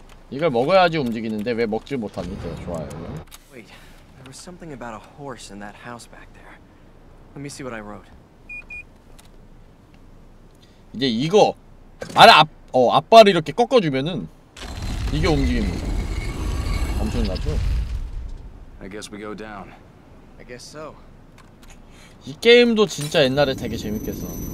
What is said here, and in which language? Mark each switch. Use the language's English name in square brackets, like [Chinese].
[Korean] 이걸 먹어야지 움직이는데 왜 먹질 못하니? 네, 좋아요. [English] Wait, there was something about a horse in that house back there. Let me see what I wrote. [Korean] 이제 이거 아래 앞, 앞발을 이렇게 꺾어주면은 이게 움직입니다. 엄청나죠? [English] I guess we go down. I guess so. [Korean] 이 게임도 진짜 옛날에 되게 재밌겠어.